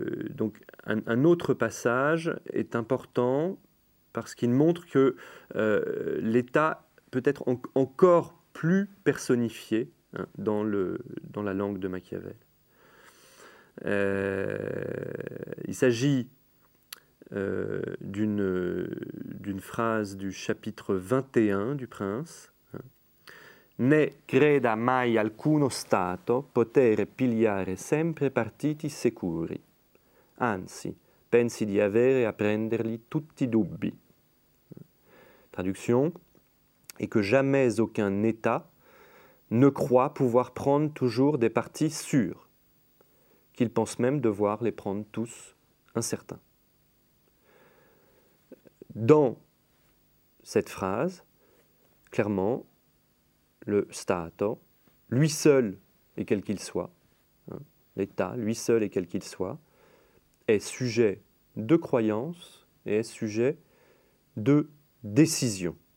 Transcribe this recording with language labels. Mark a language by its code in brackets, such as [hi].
[fr] Donc, un autre passage est important parce qu'il montre que l'État peut être encore plus personnifié, hein, dans la langue de Machiavel. Il s'agit d'une phrase du chapitre 21 du Prince. [it] Ne creda mai alcuno stato potere pigliare sempre partiti sicuri, anzi pensi di avere a prenderli tutti dubbi. [fr] Traduction. Et que jamais aucun État ne croit pouvoir prendre toujours des partis sûrs, qu'il pense même devoir les prendre tous incertains. Dans cette phrase, clairement, le Stato, lui seul et quel qu'il soit, hein, l'État, lui seul et quel qu'il soit, est sujet de croyance et est sujet de décision.